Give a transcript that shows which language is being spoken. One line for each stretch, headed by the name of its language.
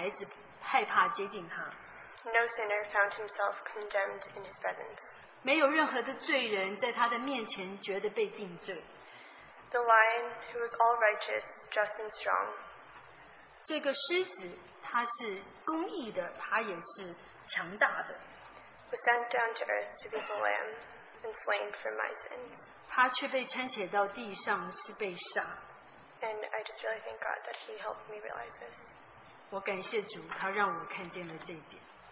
Chinese: 但是却没有小孩子害怕接近他。
English: No sinner found himself condemned in his presence.
Chinese: 没有任何的罪人在他的面前觉得被定罪。
English: The lion, who was all righteous, just and strong.
Chinese: 这个狮子,他是公义的,他也是强大的。
English: Was sent down to earth to be the lamb and slain for my sin.
Chinese: 他却被牵扯到地上是被杀。
English: And I just really thank God that He helped me realize this.
Chinese: 我感谢主,他让我看见了这一点。